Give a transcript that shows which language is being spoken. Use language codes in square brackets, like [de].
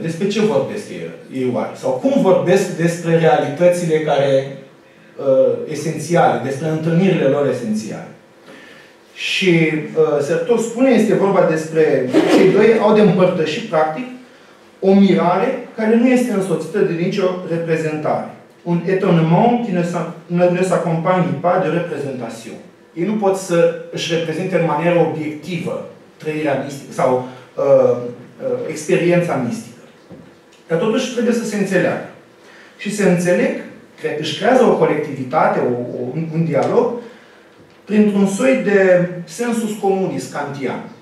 [ro] Despre ce vorbesc ei oare? Sau cum vorbesc despre realitățile care esențiale, despre întâlnirile lor esențiale? Și Certeau spune, este vorba despre cei doi au de împărtășit, practic, o mirare care nu este însoțită de nicio reprezentare. [fr] Un étonnement qui ne s'accompagne pas de représentation. [ro] Ei nu pot să își reprezinte în manieră obiectivă trăirea mistică sau experiența mistică. Dar totuși trebuie să se înțeleagă. Și se înțeleg, își creează o colectivitate, un dialog, printr-un soi de sensus communis kantian.